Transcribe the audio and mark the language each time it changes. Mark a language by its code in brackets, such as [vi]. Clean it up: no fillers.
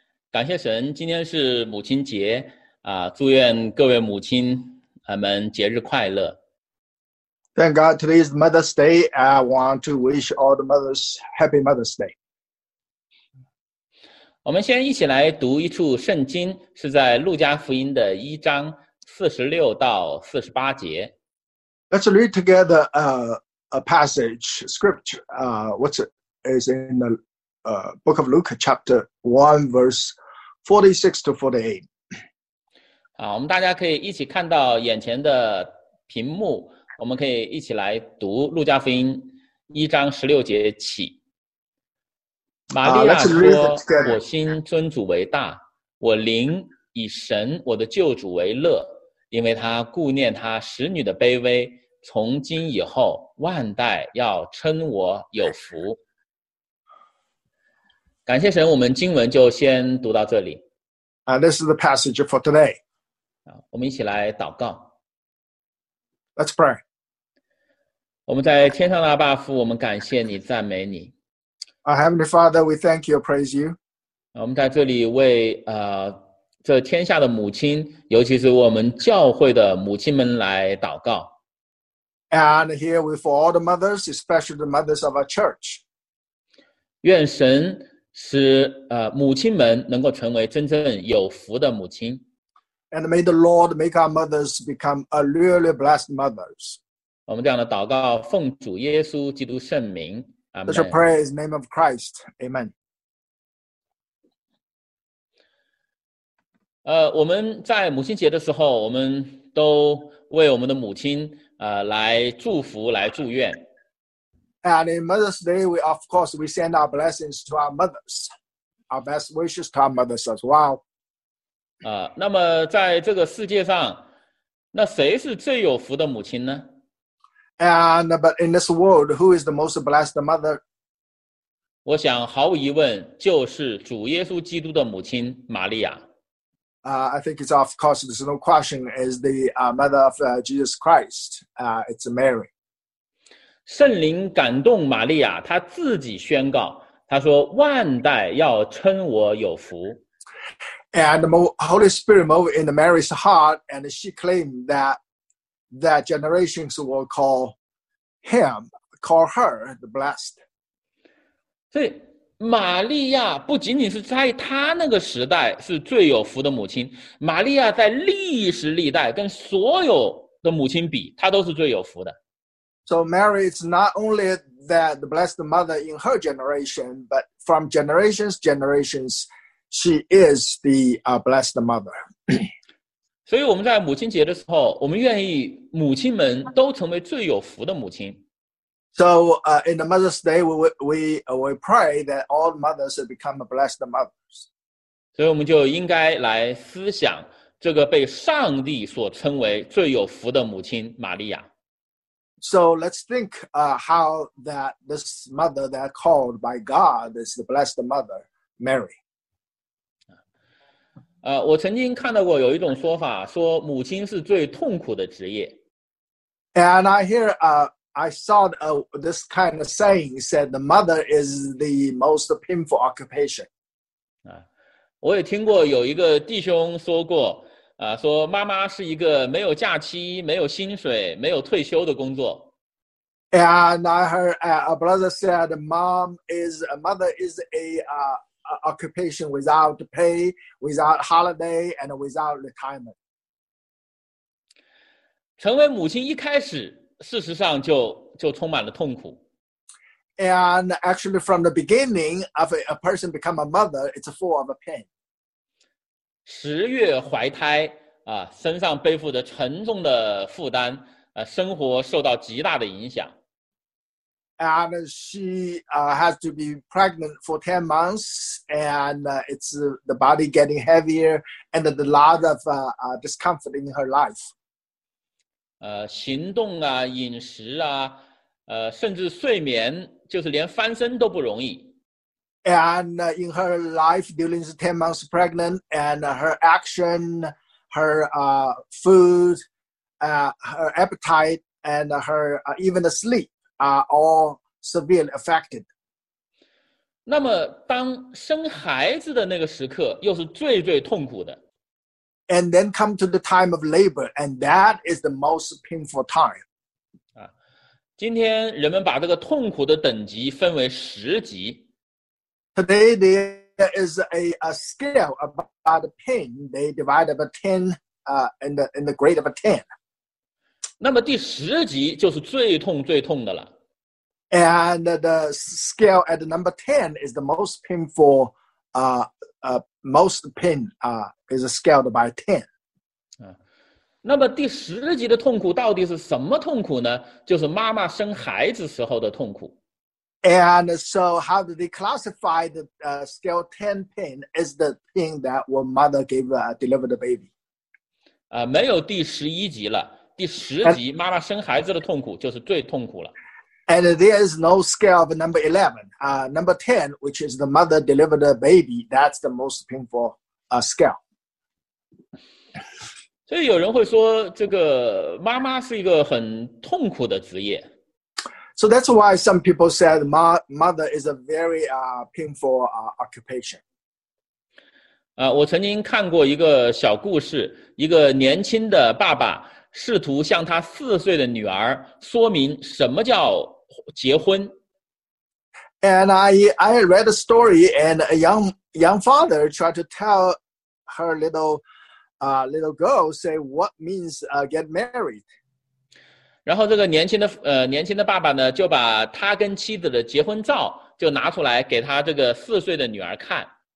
[zh] 感谢神，今天是母亲节啊！祝愿各位母亲们节日快乐。 [en] Thank God, today is Mother's Day. I want to wish all the mothers Happy Mother's Day. [zh] 我们先一起来读一处圣经，是在路加福音的一章46-48节。 [en] Let's read together a passage scripture. What's it? It's in the book of Luke, chapter 1, verse 46-48. [zh] 好，我们大家可以一起看到眼前的屏幕。我们可以一起来读《路加福音》一章16节起。玛利亚说：“我心尊主为大，我灵以神我的救主为乐，因为他顾念他使女的卑微，从今以后万代要称我有福。” 感谢神，我们经文就先读到这里。 [en] This is the passage for today. [zh] 我们一起来祷告。 [en] Let's pray. [zh] 我们在天上的阿爸父，我们感谢你，赞美你。 [en] Our Heavenly Father, we thank you, praise you. [zh] 我们在这里为这天下的母亲，尤其是我们教会的母亲们来祷告。 [en] And here we for all the mothers, especially the mothers of our church. [zh] 愿神使母亲们能够成为真正有福的母亲。 [en] And may the Lord make our mothers become a really blessed mothers. [zh] 我们这样的祷告奉主耶稣基督圣名 Amen. [en] Let's pray in the name of Christ. Amen. [zh] 我们在母亲节的时候我们都为我们的母亲来祝福来祝愿。 [en] And in Mother's Day, we, of course, we send our blessings to our mothers. Our best wishes to our mothers as well. [zh] 那么在这个世界上那谁是最有福的母亲呢？ [en] And but in this world, who is the most blessed mother? [zh] 我想毫无疑问就是主耶稣基督的母亲玛利亚。 [en] I think it's of course there's no question is the mother of Jesus Christ. It's Mary. [zh] 圣灵感动玛利亚，她自己宣告，她说：“万代要称我有福。” [en] And the Holy Spirit moved in Mary's heart, and she claimed that. That generations will call him, call her the blessed. [zh] 所以玛利亚不仅仅是在她那个时代是最有福的母亲，玛利亚在历史历代跟所有的母亲比，她都是最有福的。 [en] So Mary is not only that the blessed mother in her generation, but from generations to generations, she is the blessed mother. [zh] 所以我们在母亲节的时候，我们愿意母亲们都成为最有福的母亲。 [en] So, in the Mother's Day, we pray that all mothers become blessed mothers. [zh] 所以我们就应该来思想这个被上帝所称为最有福的母亲玛利亚。 [en] So let's think, how that this mother that called by God is the blessed mother, Mary. [zh] 我曾经看到过有一种说法，说母亲是最痛苦的职业。 [en] And I hear, I saw this kind of saying said the mother is the most painful occupation. [zh] 我也听过有一个弟兄说过，说妈妈是一个没有假期、没有薪水、没有退休的工作。 [en] And I heard a brother said, "Mom is a mother is a occupation without pay, without holiday, and without retirement. [zh] 成为母亲一开始，事实上就充满了痛苦。 [en] And actually, from the beginning of a person become a mother, it's full of pain. [zh] 十月怀胎身上背负着沉重的负担生活受到极大的影响。 [en] And she has to be pregnant for 10 months, and it's the body getting heavier, and a lot of discomfort in her life. [zh] 行动啊，饮食啊，甚至睡眠，就是连翻身都不容易。 [en] And in her life during the 10 months pregnant, and her action, her food, her appetite, and her even the sleep are all severely affected. [zh] 那么当生孩子的那个时刻又是最最痛苦的。 [en] And then come to the time of labor, and that is the most painful time. [zh] 今天人们把这个痛苦的等级分为十级。 [en] Today there is a scale about the pain. They divide up ten, in the grade of ten. [zh] 那么第十级就是最痛最痛的了。 [en] And the scale at number ten is the most painful. Most pain is scaled by ten. [zh] 那么第十级的痛苦到底是什么痛苦呢？就是妈妈生孩子时候的痛苦。 [en] And so how do they classify the scale 10 pain is the pain that your mother delivered the baby. [zh] 没有第十一级了，第十级妈妈生孩子的痛苦就是最痛苦了。 [en] And there is no scale of number 11. Number 10, which is the mother delivered the baby, that's the most painful scale. [zh] 所以有人会说这个妈妈是一个很痛苦的职业。 [en] So that's why some people said mother is a very painful occupation. [zh] 我曾经看过一个小故事，一个年轻的爸爸试图向他四岁的女儿说明什么叫结婚。 [en] And I read a story, and a young father tried to tell her little girl say what means get married. [zh] 然后这个年轻的爸爸呢，就把他跟妻子的结婚照就拿出来给他这个四岁的女儿看。